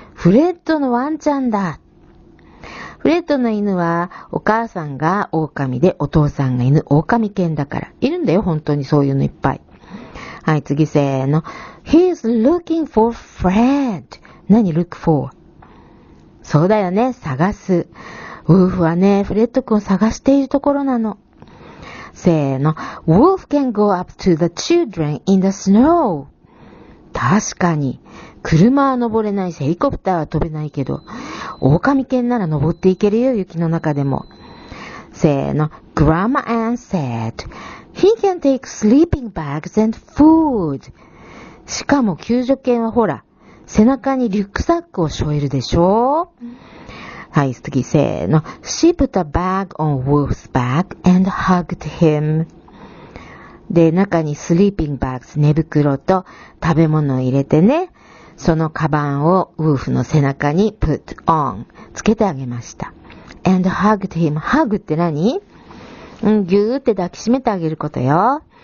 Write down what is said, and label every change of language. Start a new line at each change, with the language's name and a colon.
Japanese: フレッドのワンちゃんだ。フレッドの犬は、お母さんが狼で、お父さんが犬、狼犬だから。いるんだよ、本当にそういうのいっぱい。はい、次せーの。
English: He's looking for Fred.
Japanese: 何 look for? そうだよね、探す。ウォーフはね、フレッド君を探しているところなの。せーの。
English: Wolf can go up to the children in the snow.
Japanese: 確かに、車は登れないし、ヘリコプターは飛べないけど、狼犬なら登っていけるよ、雪の中でも。せーの。
English: Grandma Ann said, he can take sleeping bags and food.
Japanese: しかも救助犬はほら、背中にリュックサックを背負えるでしょ？はい、次、せーの。
English: She put a bag on Wolf's back and hugged him.
Japanese: で、中にスリーピングバッグ、寝袋と食べ物を入れてね、そのカバンをウーフの背中に put on、つけてあげました。
English: and hugged him. hug
Japanese: って何？ぎゅーって抱きしめてあげることよ。